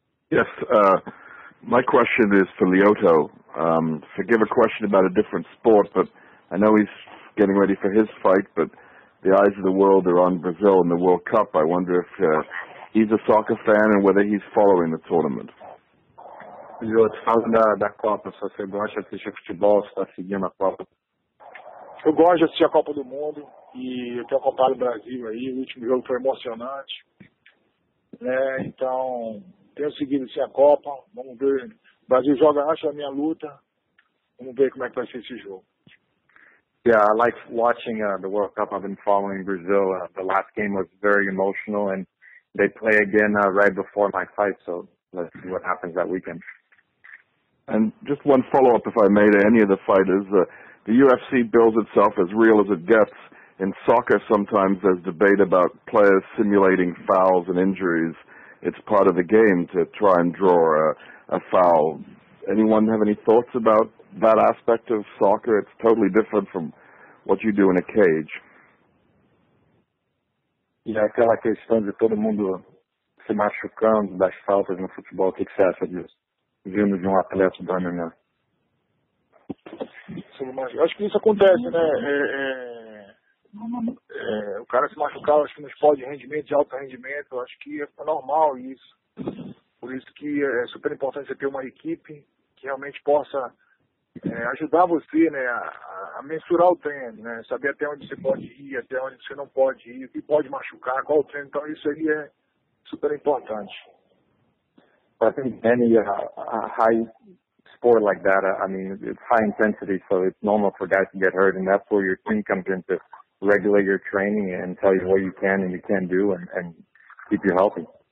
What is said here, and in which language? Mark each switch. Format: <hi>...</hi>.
<en>Yes, my question is for Lyoto. Forgive a question about a different sport, but I know he's getting ready for his fight, but the eyes of the world are on Brazil in the World Cup. I wonder if he's a soccer fan and whether he's following the tournament.</en> <pt>Lyoto, fala da Copa. Se você gosta de assistir futebol, se está seguindo a Copa. Eu gosto de assistir a Copa do Mundo e eu tenho acompanhado o Brasil aí. O último jogo foi emocionante. É, então... Tenho seguido assim a Copa, vamos ver. O Brasil joga, acho, a minha luta. Vamos ver como é que vai ser esse jogo.</pt> <en>Yeah, I like watching the World Cup. I've been following Brazil. The last game was very emotional, and they play again right before my fight, so let's see what happens that weekend. And just one follow-up, if I may, to any of the fighters. The UFC bills itself as real as it gets. In soccer, sometimes there's debate about players simulating fouls and injuries. It's part of the game to try and draw a foul. Anyone have any thoughts about that aspect of soccer? It's totally different from what you do in a cage.</en> <pt>E aquela questão de todo mundo se machucando das faltas no futebol, o que você acha disso? Vindo de atleta do MMA. Acho que isso acontece, né? O cara se machucar, acho que no esporte de rendimento, de alto rendimento, acho que é normal isso. Por isso que é super importante você ter uma equipe que realmente possa ajudar você, né, a mensurar o treino, né, saber até onde você pode ir, até onde você não pode ir, o que pode machucar, qual o treino. Então, isso aí é super importante.</pt> <en>I think any high sport like that, I mean, it's high intensity, so it's normal for guys to get hurt, and that's where your team comes into. Regulate your training and tell you what you can and you can't do and keep you healthy.</en>